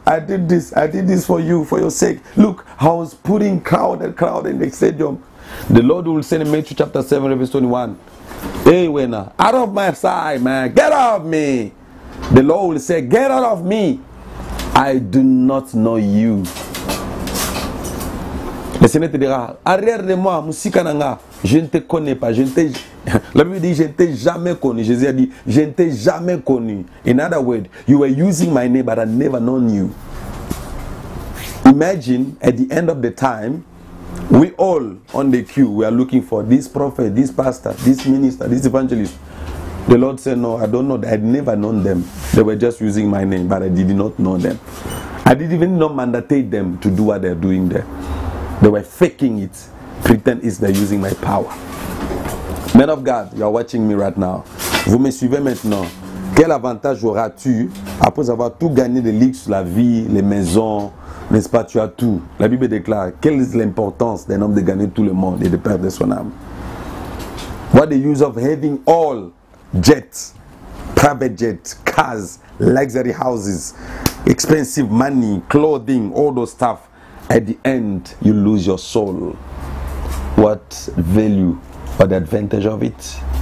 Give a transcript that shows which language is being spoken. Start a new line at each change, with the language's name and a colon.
English: I did this for you, for your sake. Look, I was putting crowd in the stadium. The Lord will send in Matthew chapter 7, verse 21. Hey, winner, out of my sight, man, get out of me. The Lord will say, get out of me. I do not know you.
French: Le Seigneur te dira, arrière de moi, Moussikananga, je ne te connais pas. La Bible dit, je ne t'ai jamais connu. Jésus a dit, je ne t'ai jamais connu.
English: In other words, you were using my name, but I never known you. Imagine, at the end of the time, we all on the queue, we are looking for this prophet, this pastor, this minister, this evangelist. The Lord said, no, I don't know. I had never known them. They were just using my name, but I did not know them. I didn't even not mandate them to do what they're doing there. They were faking it. Pretend it's they're using my power. Men of God, you are watching me right now.
French: Vous me suivez maintenant. Quel avantage auras-tu après avoir tout gagné de luxe, la vie, les maisons, n'est-ce pas, tu as tout. La Bible déclare, quelle est l'importance d'un homme de gagner tout le monde et de perdre son âme?
English: What the use of having all jets, private jets, cars, luxury houses, expensive money, clothing, all those stuff. At the end, you lose your soul. What value, what advantage of it?